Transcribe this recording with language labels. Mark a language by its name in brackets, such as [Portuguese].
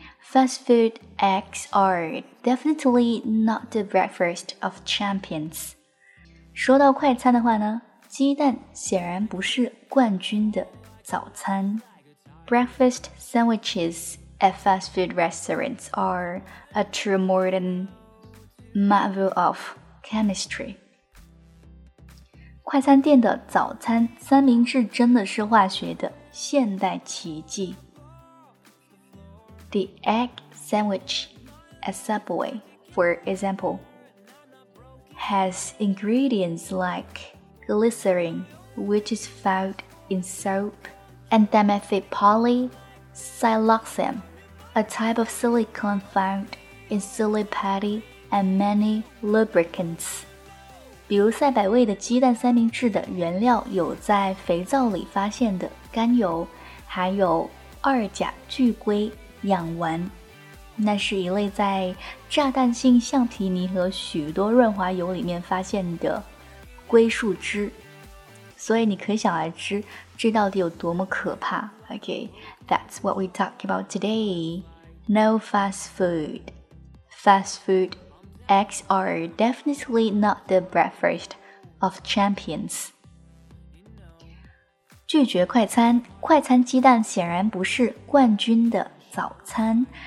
[English] Fast food eggs are definitely not the breakfast of champions. [Chinese] 说到快餐的话呢，鸡蛋显然不是冠军的早餐。 [English] Breakfast sandwiches at fast food restaurants are a true modern marvel of chemistry. [Chinese] 快餐店的早餐三明治真的是化学的现代奇迹。 [English] The egg sandwich at Subway, for example, has ingredients like glycerin, which is found in soap, and dimethylpolysiloxane, a type of silicone found in silly patty and many lubricants. [Chinese] 比如赛百味的鸡蛋三明治的原料有在肥皂里发现的甘油，还有二甲聚硅。氧烷，那是一类在炸弹性橡皮泥和许多润滑油里面发现的硅树脂，所以你可想而知这到底有多么可怕。 [English] Okay, that's what we talk about today. No fast food. Fast food eggs are definitely not the breakfast of champions. [Chinese] 拒绝快餐，快餐鸡蛋显然不是冠军的早餐。